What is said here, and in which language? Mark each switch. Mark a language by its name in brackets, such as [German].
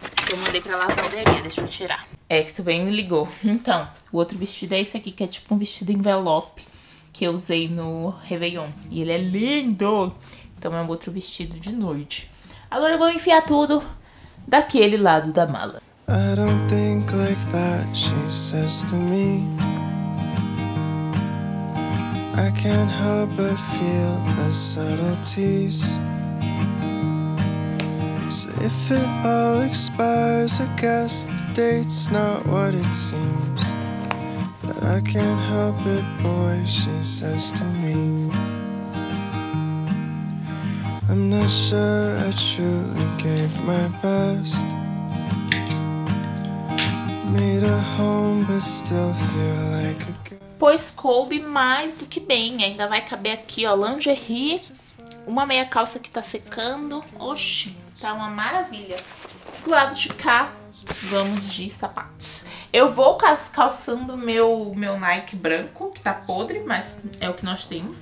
[Portuguese] Eu mandei pra lavanderia, deixa eu tirar. É que tu bem me ligou. Então, o outro vestido é esse aqui, que é tipo um vestido envelope, que eu usei no Réveillon. E ele é lindo! Então é um outro vestido de noite. Agora eu vou enfiar tudo daquele lado da mala. [English] I don't think like that, she says to me. I can't help but feel the subtleties. So if it all expires, I guess the date's not what it seems. But I can't help it, boy, she says to me. I'm not sure I truly gave my best. Made a home, but still feel like a girl. [Portuguese] Pois coube mais do que bem. Ainda vai caber aqui, ó, lingerie. Uma meia calça que tá secando. Oxi, tá uma maravilha. Do lado de cá, vamos de sapatos. Eu vou calçando meu Nike branco, que tá podre, mas é o que nós temos.